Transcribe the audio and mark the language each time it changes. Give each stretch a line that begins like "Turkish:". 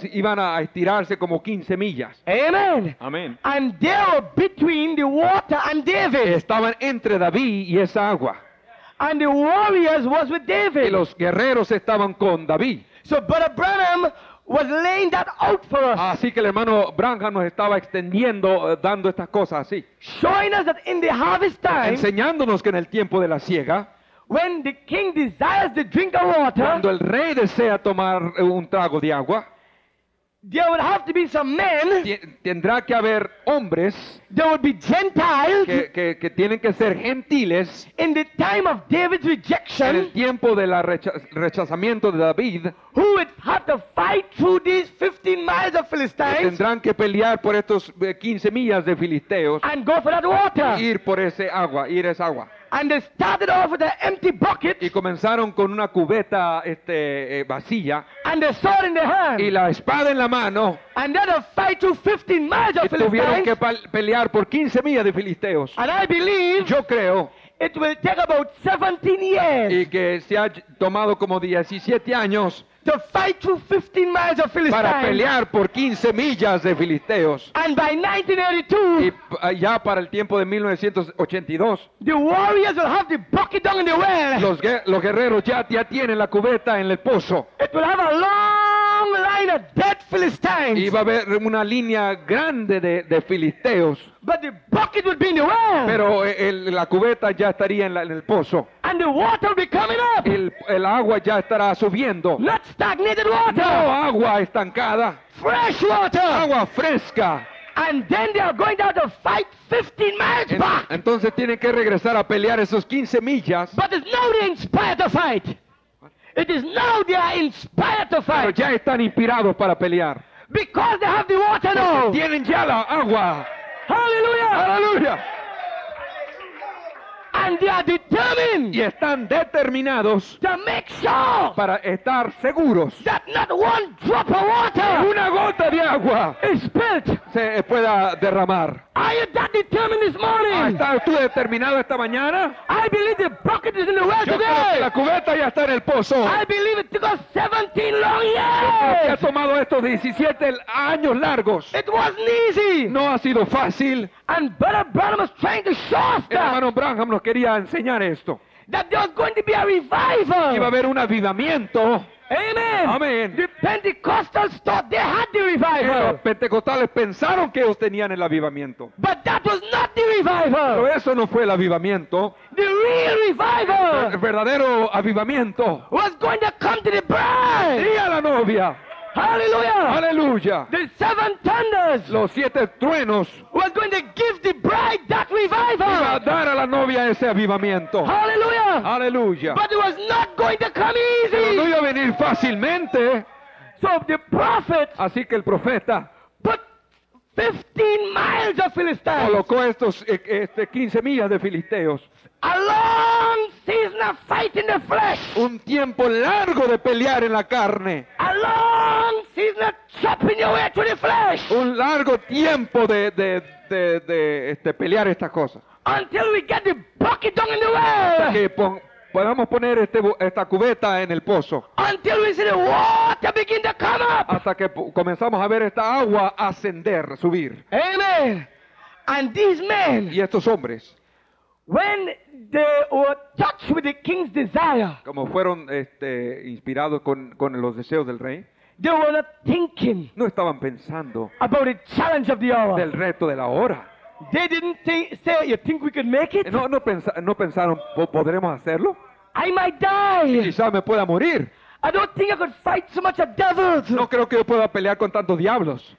Spanish: Iban a estirarse como 15 millas.
English: Amen.
Spanish: Amen.
English: And they were between the water and David.
Spanish: Estaban entre David y esa agua.
English: And the warriors was with David.
Spanish: Y los guerreros estaban con David.
English: So Brother Branham was laying that out for us.
Spanish: Así que el hermano Branham nos estaba extendiendo, dando estas cosas así.
English: Showing us that in the harvest time,
Spanish: enseñándonos que en el tiempo de la siega,
English: when the king desires the drink of water,
Spanish: cuando el rey desea tomar un trago de agua,
English: there would have to be some men,
Spanish: tendrá que haber hombres,
English: there would be Gentiles,
Spanish: que tienen que ser gentiles,
English: in the time of David's rejection,
Spanish: en el tiempo de la rechazamiento de David,
English: who would have to fight through these 15 miles of Philistines,
Spanish: que tendrán que pelear por estos 15 millas de filisteos,
English: and go for that water,
Spanish: ir por ese agua, ir esa agua,
English: and they started off with an empty bucket,
Spanish: y comenzaron con una cubeta vacía,
English: and the sword in the hand,
Spanish: y la espada en la mano,
English: and they had to fight through 15 miles of Philistines,
Spanish: y tuvieron que pelear por 15 millas de filisteos,
English: and I believe,
Spanish: yo creo,
English: it will take about 17 years,
Spanish: y que se ha tomado como 17 años,
English: to fight through 15 miles of Philistines,
Spanish: para pelear por 15 millas de filisteos,
English: and by 1982,
Spanish: y ya para el tiempo de 1982,
English: the warriors will have the bucket down in the well,
Spanish: los guerreros ya tienen la cubeta en el pozo,
English: it will have a long line of dead Philistines,
Spanish: y va a haber una línea grande de filisteos,
English: but the bucket would be in the well,
Spanish: pero la cubeta ya estaría en el pozo,
English: and the water will be coming up,
Spanish: el agua ya estará subiendo,
English: not stagnated water,
Spanish: no agua estancada,
English: fresh water,
Spanish: agua fresca,
English: and then they are going down to fight 15 miles back,
Spanish: entonces tienen que regresar a pelear esos 15 millas,
English: but it's not inspired to fight, It is now they are inspired to fight.
Spanish: Pero ya están inspirados para pelear.
English: Because they have the water now.
Spanish: Porque tienen ya la agua.
English: Hallelujah.
Spanish: Hallelujah.
English: And they are determined.
Spanish: Y están determinados.
English: To make sure.
Spanish: Para estar seguros.
English: That not one drop of water.
Spanish: Una gota de agua.
English: Is spilt.
Spanish: Se pueda derramar.
English: Are you that determined this morning?
Spanish: ¿Estás tú determinado esta mañana?
English: I believe the bucket is in the well today.
Spanish: Yo creo que la cubeta ya está en el pozo.
English: I believe it took us 17 long years.
Spanish: Yo creo que ha tomado estos 17 años largos.
English: It wasn't easy.
Spanish: No ha sido fácil.
English: And Brother Branham was trying to show us that.
Spanish: El hermano Branham nos quería enseñar esto.
English: That there was going to be a revival.
Spanish: Iba a haber un avivamiento.
English: Amen.
Spanish: Amen.
English: The Pentecostals thought they had the revival.
Spanish: Los pentecostales pensaron que ellos tenían el avivamiento.
English: But that was not the revival.
Spanish: Pero eso no fue el avivamiento.
English: The real revival.
Spanish: El verdadero avivamiento.
English: Was going to come to the bride.
Spanish: Y a la novia.
English: Hallelujah.
Spanish: Hallelujah.
English: The seven thunders.
Spanish: Los siete truenos.
English: Was going to give the bride that revival.
Spanish: Iba a dar a la novia ese avivamiento.
English: Hallelujah.
Spanish: Hallelujah.
English: But it was not going to come easy.
Spanish: Pero no iba a venir fácilmente.
English: So the prophet.
Spanish: Así que el profeta.
English: Put 15 miles of Philistines.
Spanish: Colocó estos 15 millas de filisteos.
English: A long season of fighting the flesh.
Spanish: Un tiempo largo de pelear en la carne.
English: A long season of chopping your way to the flesh.
Spanish: Un largo tiempo de pelear estas cosas.
English: Until we get the bucket down in the well.
Spanish: Hasta que podamos poner esta cubeta en el pozo.
English: Until we see the water begin to come up.
Spanish: Hasta que comenzamos a ver esta agua ascender, subir.
English: Amen. And these men.
Spanish: Y estos hombres.
English: When they were touched with the king's desire,
Spanish: como fueron inspirados con los deseos del rey,
English: they were not thinking,
Spanish: no estaban pensando,
English: about the challenge of the hour,
Spanish: del reto de la hora.
English: They didn't say, "You think we could make it?"
Spanish: No pensaron, ¿podremos hacerlo?
English: I might die.
Spanish: Quizá me pueda morir.
English: I don't think I could fight so much of devils.
Spanish: No creo que yo pueda pelear con tantos diablos.